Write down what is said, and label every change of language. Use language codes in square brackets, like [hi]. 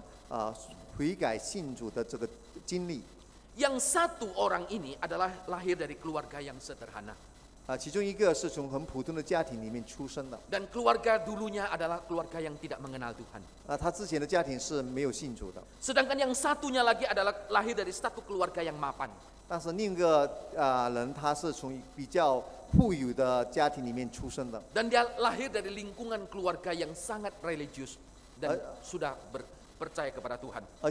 [zh] 他们就在一起彼此分享他们悔改信主的这个经历。 [id] Yang satu orang ini adalah lahir dari keluarga yang sederhana. [zh] 其中一个是从很普通的家庭里面出生的。 [id] Dan keluarga dulunya adalah keluarga yang tidak mengenal Tuhan. [zh] 他之前的家庭是没有信主的。 [id] Sedangkan yang satunya lagi adalah lahir dari satu keluarga yang mapan. [zh] 但是另一个人他是从比较富裕的家庭里面出生的。 [id] Dan dia lahir dari lingkungan keluarga yang sangat religius dan sudah percaya kepada Tuhan.